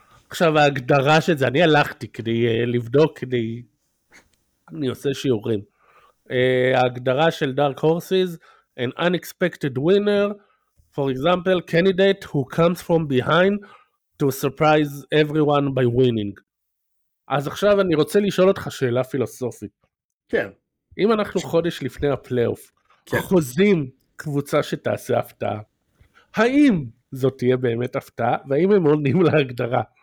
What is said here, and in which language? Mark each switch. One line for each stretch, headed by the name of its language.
Hebrew: עכשיו ההגדרה של זה, אני הלכתי כדי לבדוק, כדי... אני עושה שיעורים. ההגדרה של דארק הורסיז,
English: an unexpected winner, for example, candidate who comes from behind, to surprise everyone by winning.
Hebrew: אז עכשיו אני רוצה לשאול אותך שאלה פילוסופית. כן. אם אנחנו חודש לפני הפלייאוף, כן. חוזים קבוצה שתעשה הפתעה, האם זאת תהיה באמת הפתעה, והאם הם עונים להגדרה?